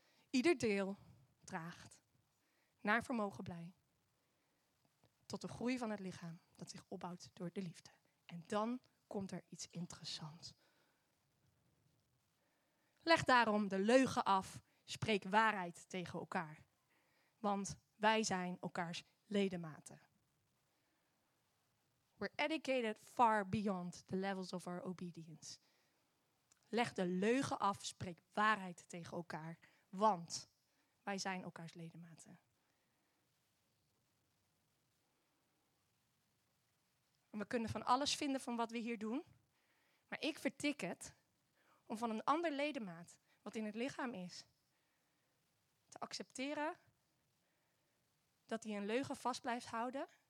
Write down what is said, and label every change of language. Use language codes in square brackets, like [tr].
[nl] Ieder deel draagt naar vermogen bij tot de groei van het lichaam dat zich opbouwt door de liefde. En dan komt er iets interessants. Leg daarom de leugen af, spreek waarheid tegen elkaar. Want wij zijn elkaars ledematen. [en] We're educated far beyond the levels of our obedience. [nl] Leg de leugen af, spreek waarheid tegen elkaar. Want wij zijn elkaars ledematen. We kunnen van alles vinden van wat we hier doen. Maar ik vertik het om van een ander ledemaat, wat in het lichaam is, te accepteren dat hij een leugen vast blijft houden.